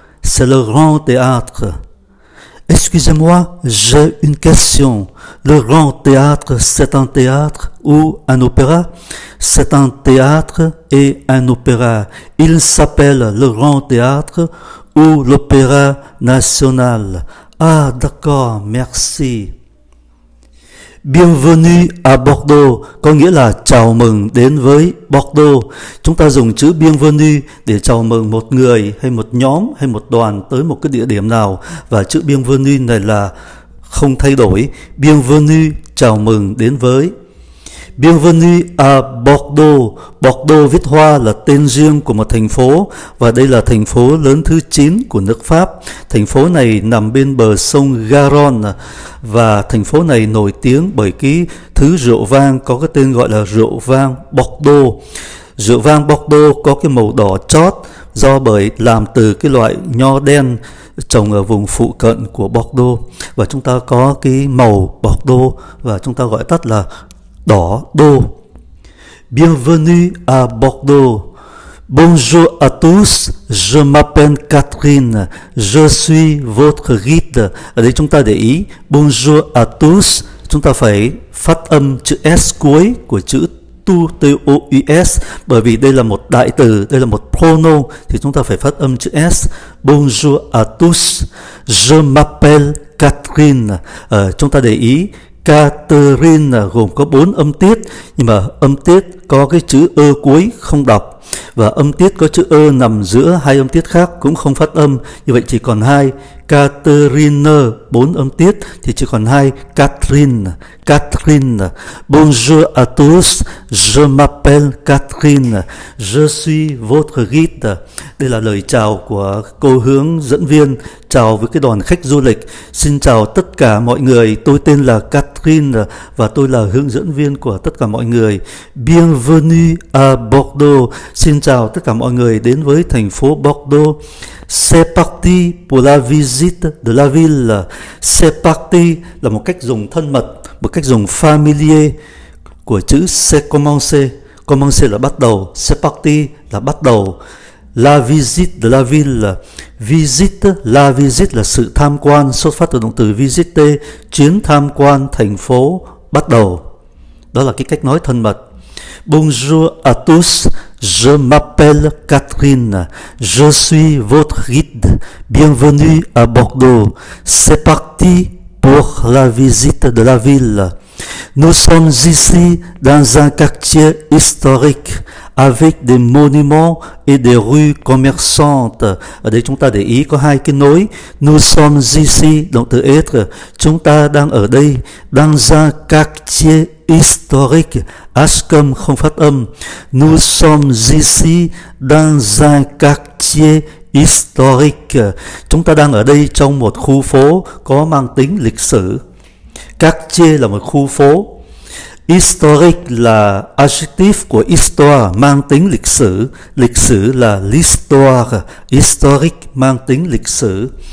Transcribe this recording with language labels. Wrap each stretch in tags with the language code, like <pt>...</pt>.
<fr>C'est le Grand Théâtre. Excusez-moi, j'ai une question. Le Grand Théâtre, c'est un théâtre ou un opéra? C'est un théâtre et un opéra. Il s'appelle le Grand Théâtre ou l'Opéra National. Ah, d'accord, merci. Bienvenue à Bordeaux,</fr> <vi>có nghĩa là chào mừng đến với Bordeaux. Chúng ta dùng chữ bienvenue để chào mừng một người hay một nhóm hay một đoàn tới một cái địa điểm nào. Và chữ bienvenue này là không thay đổi. Bienvenue, chào mừng đến với.</vi> <fr>Bienvenue à Bordeaux.</fr> <vi>Bordeaux viết hoa là tên riêng của một thành phố. Và đây là thành phố lớn thứ 9 của nước Pháp. Thành phố này nằm bên bờ sông Garonne. Và thành phố này nổi tiếng bởi cái thứ rượu vang có cái tên gọi là rượu vang Bordeaux. Rượu vang Bordeaux có cái màu đỏ chót do bởi làm từ cái loại nho đen trồng ở vùng phụ cận của Bordeaux. Và chúng ta có cái màu Bordeaux và chúng ta gọi tắt là đỏ đô.</vi> <fr>Bienvenue à Bordeaux. Bonjour à tous, je m'appelle Catherine, je suis votre guide.</fr> <vi>Ở đây chúng ta để ý,</vi> <fr>bonjour à tous,</fr> <vi>chúng ta phải phát âm chữ S cuối của chữ T-O-U-S, bởi vì đây là một đại từ, đây là một pronoun, thì chúng ta phải phát âm chữ S.</vi> <fr>Bonjour à tous, je m'appelle Catherine.</fr> <vi>Chúng ta để ý, Catherine gồm có 4 âm tiết, nhưng mà âm tiết có cái chữ ơ cuối không đọc, và âm tiết có chữ ơ nằm giữa hai âm tiết khác cũng không phát âm, như vậy chỉ còn 2. Catherine, 4 âm tiết thì chỉ còn 2. Catherine, Catherine.</vi> <fr>Bonjour à tous, je m'appelle Catherine, je suis votre guide.</fr> <vi>Đây là lời chào của cô hướng dẫn viên chào với cái đoàn khách du lịch. Xin chào tất cả mọi người, tôi tên là Catherine và tôi là hướng dẫn viên của tất cả mọi người.</vi> <fr>Bienvenue à Bordeaux.</fr> <vi>Xin chào tất cả mọi người đến với thành phố Bordeaux.</vi> <fr>C'est parti pour la visite de la ville. C'est parti</fr> <vi>là một cách dùng thân mật, một cách dùng familier của chữ</vi> <fr>c'est commencer.</fr> <vi>Commencer là bắt đầu,</vi> <fr>c'est parti</fr> <vi>là bắt đầu.</vi> <fr>La visite de la ville.</fr> <vi>Visite,</vi> <fr>la visite</fr> <vi>là sự tham quan, xuất phát từ động từ visiter, chuyến tham quan thành phố bắt đầu. Đó là cái cách nói thân mật.</vi> <fr>Bonjour à tous. Je m'appelle Catherine. Je suis votre guide. Bienvenue à Bordeaux. C'est parti pour la visite de la ville. Nous sommes ici dans un quartier historique avec des monuments et des rues commerçantes.</fr> <vi>Ở đây chúng ta để ý có hai cái nối.</vi> <fr>Nous sommes ici,</fr> <vi>động từ être. Chúng ta đang ở đây.</vi> <fr>Dans un quartier historique. As comme</fr> <vi>không phát âm.</vi> <fr>Nous sommes ici dans un quartier historique.</fr> <vi>Chúng ta đang ở đây trong một khu phố có mang tính lịch sử. Quartier là một khu phố. Historique là adjective của histoire, mang tính lịch sử. Lịch sử là</vi> <fr>l'histoire.</fr> <vi>Historique mang tính lịch sử.</vi>